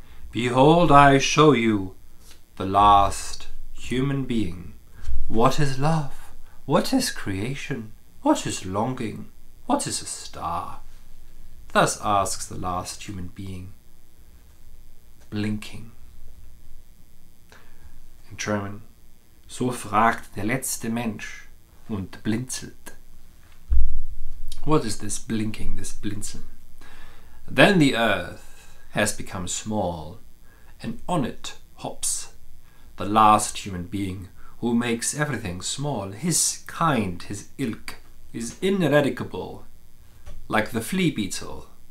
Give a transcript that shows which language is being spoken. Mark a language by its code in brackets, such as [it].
[en] Behold, I show you the last human being. What is love? What is creation? What is longing? What is a star? Thus asks the last human being, blinking. In German, [de] so fragt der letzte Mensch und blinzelt. [en] What is this blinking, this blinzeln? Then the earth has become small, and on it hops the last human being who makes everything small. His kind, his ilk, is ineradicable, like the flea beetle.